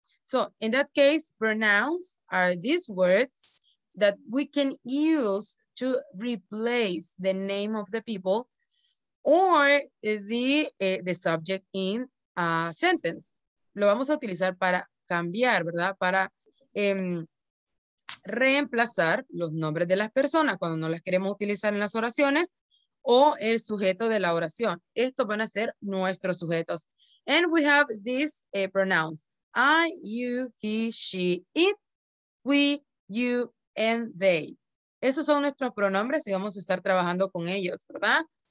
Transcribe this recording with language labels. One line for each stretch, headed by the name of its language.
English: So in that case, pronouns are these words that we can use to replace the name of the people or the subject in a sentence.
Spanish: Lo vamos a utilizar para cambiar, ¿verdad? Para reemplazar los nombres de las personas cuando no las queremos utilizar en las oraciones o el sujeto de la oración. Estos van a ser nuestros sujetos.
English: And we have these pronouns. I, you, he, she, it, we, you, and they.
Spanish: Esos son nuestros pronombres y vamos a estar trabajando con ellos, ¿verdad?